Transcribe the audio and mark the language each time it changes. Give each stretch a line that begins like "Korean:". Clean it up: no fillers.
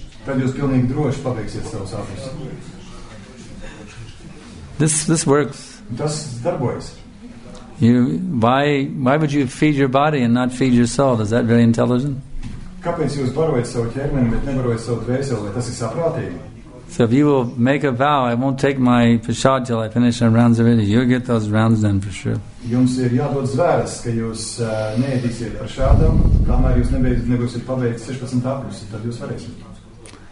Latvian: Tad jūs pilnīgi droši pabeigsiet savus apus.
English: This works.
Latvian: Tas darbojas.
English: Why would you feed your body and not feed your soul? Is that very intelligent?
Latvian: Kāpēc jūs barojat savu ķermeni, bet nebarojat savu dvēseli, tas ir saprātīgi?
English: So if you will make a vow, I won't take my prasad till I finish my rounds of eating, you'll get those rounds then for sure.
Latvian: Jums ir jādod zvēras, ka jūs neēdīsiet prasādam, kamēr jūs nebūsiet pabeigts 16 aprus, tad jūs varēsiet.